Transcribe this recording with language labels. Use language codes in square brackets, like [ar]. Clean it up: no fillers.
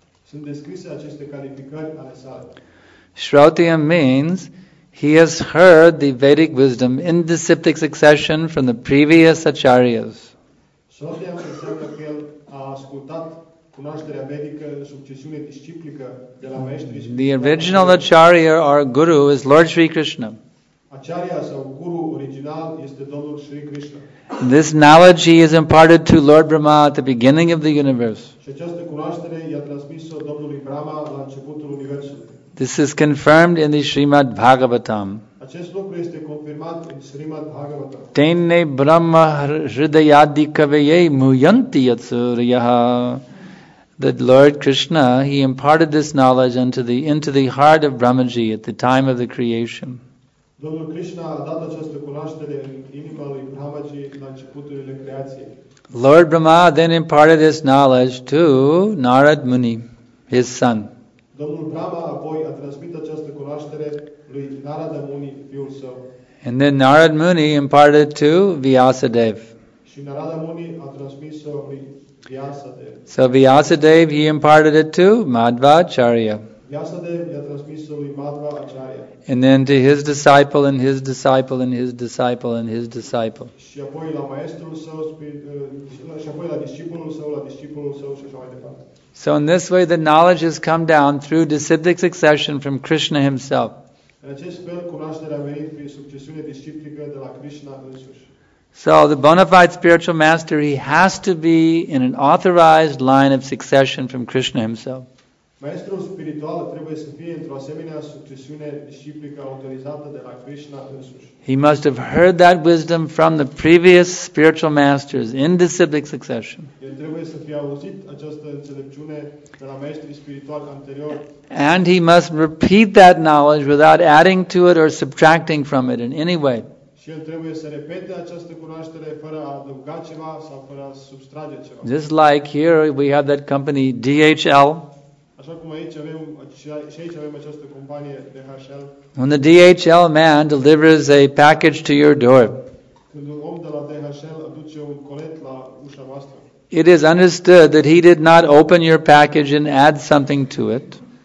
[ro] Sunt descrise aceste calificări ale sale. [en] Shrotiyam means he has heard the Vedic wisdom in disciplic succession from the previous acharyas. [ro] Shrotiyam înseamnă că el a ascultat cunoașterea vedică în succesiune disciplică de la maestrii. [en] The original acharya or guru is Lord Sri Krishna. [ro] Acharya sau guru original este Domnul Sri Krishna. [en] This knowledge he has imparted to Lord Brahma at the beginning of the universe. [ro] Și această cunoaștere i-a transmis-o Domnului Brahma la începutul universului. [en] This is confirmed in the Srimad Bhagavatam. [ro] Acest lucru este confirmat în Srimad Bhagavatam. [sa] Tene brahma hridayadikaveye muyanti yatsuryaha. [en] The Lord Krishna, he imparted this knowledge into the heart of Brahmaji at the time of the creation. [ro] Domnul Krishna a dat această cunoaștere în inima lui Brahmaji la începuturile creației. [en] Lord Brahma then imparted this knowledge to Narad Muni, his son. [ro] Domnul Brahma apoi a transmis această cunoaștere lui Narada Muni, fiul său. [en] And then Narad Muni imparted to Vyasadev. [ro] Și Narada Muni a transmis-o lui Vyasadev. [en] So Vyasadev, he imparted it to Madhvacharya. [ro] Vyasadev i-a transmis-o lui Madhvacharya. [en] And then to his disciple and his disciple and his disciple and his disciple. [ro] Și apoi la maestrul său, și apoi la discipolul său, la discipolul său și așa mai departe. [en] So in this way the knowledge has come down through disciplic succession from Krishna himself. [ro] În acest fel, cunoașterea a venit prin succesiune disciplică de la Krishna însuși. [en] So the bona fide spiritual master, he has to be in an authorized line of succession from Krishna himself. [ro] Maestrul spiritual trebuie să fie într-o asemenea succesiune disciplică autorizată de la Krishna însuși. [en] He must have heard that wisdom from the previous spiritual masters in disciplic succession. [ro] El trebuie să fie auzit această înțelepciune de la maestrii spirituali anterior. [en] And he must repeat that knowledge without adding to it or subtracting from it in any way. [ro] Și el trebuie să repete această cunoaștere fără a adăuga ceva sau fără a substrage ceva. [en] Just like here we have that company DHL. [ro] Așa cum aici avem, și aici avem această companie DHL. [en] When the DHL man delivers a package to your door, [ro] când un om de la DHL aduce un colet la ușa voastră, [en] it is understood that he did not open your package and add something to it.